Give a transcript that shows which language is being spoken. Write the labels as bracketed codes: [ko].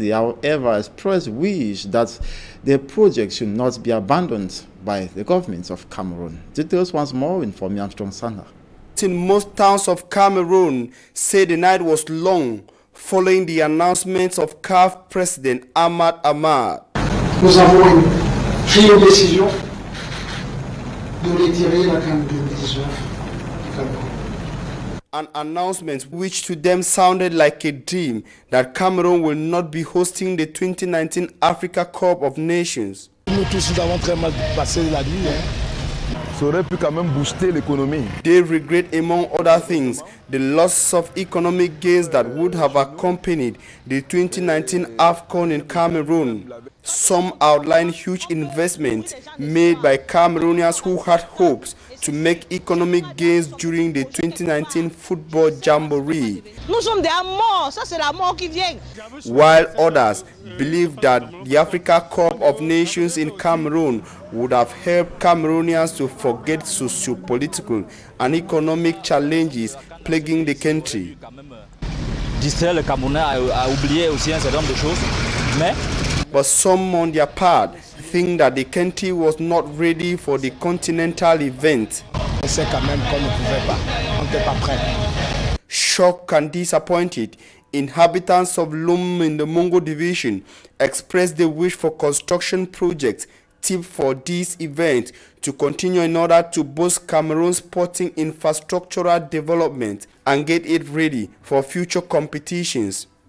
[en] They however expressed wish that the project should not be abandoned by the government of Cameroon. Details once more in Fomi Armstrong Sander. In most towns of Cameroon, say the night was long following the announcement of CAF President Ahmad Ahmad. [fr] Nous avons une prime décision de retirer la CAN 2019. [en] An announcement which to them sounded like a dream that Cameroon will not be hosting the 2019 Africa Cup of Nations. [fr] Nous tous nous avons très mal passé la nuit. Hein? Ça aurait pu quand même booster l'économie. [en] They regret, among other things, the loss of economic gains that would have accompanied the 2019 AFCON in Cameroon. Some outline huge investments made by Cameroonians who had hopes to make economic gains during the 2019 football jamboree. [fr] Nous sommes des morts, ça c'est la mort qui vient. [en] While others believe that the Africa Cup of Nations in Cameroon would have helped Cameroonians to forget socio-political and economic challenges plaguing the country. [fr] Distraire le Camerounais a oublié aussi un certain nombre de choses, mais. [en] But some on their part think that the country was not ready for the continental event. [fr] C'est quand même qu'on ne pouvait pas. On n'était pas prêt. [en] Shocked and disappointed, inhabitants of Loum in the Mungu division expressed the wish for construction projects tip for this event to continue in order to boost Cameroon's sporting infrastructural development and get it ready for future competitions.